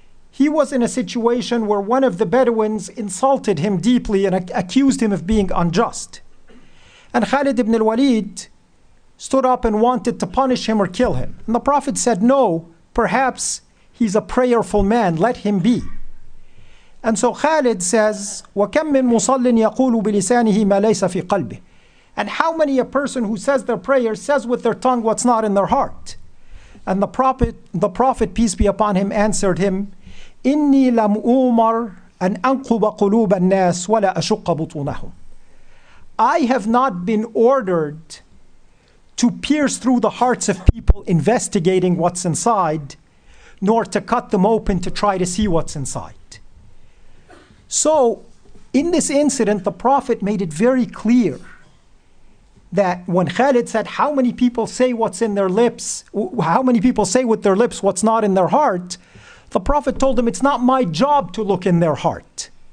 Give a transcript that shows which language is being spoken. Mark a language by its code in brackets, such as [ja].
[en] He was in a situation where one of the Bedouins insulted him deeply and accused him of being unjust. And Khalid ibn al-Walid stood up and wanted to punish him or kill him. And the Prophet said, no, perhaps he's a prayerful man, let him be. And so Khalid says, [ar] وَكَمْ مِنْ مُصَلٍّ يَقُولُ بِلِسَانِهِ مَا لَيْسَ فِي قَلْبِهِ. [en] And how many a person who says their prayer says with their tongue what's not in their heart? And the Prophet, peace be upon him, answered him, [ar] إِنِّي لَمْ أُمَرْ أَنْ أَنْقُبَ قُلُوبَ النَّاسِ وَلَا أَشُقَّ بُطُونَهُمْ. [en] I have not been ordered to pierce through the hearts of people investigating what's inside, nor to cut them open to try to see what's inside. So in this incident, the Prophet made it very clear that when Khalid said, how many people say what's in their lips, how many people say with their lips what's not in their heart, the Prophet told him, it's not my job to look in their heart.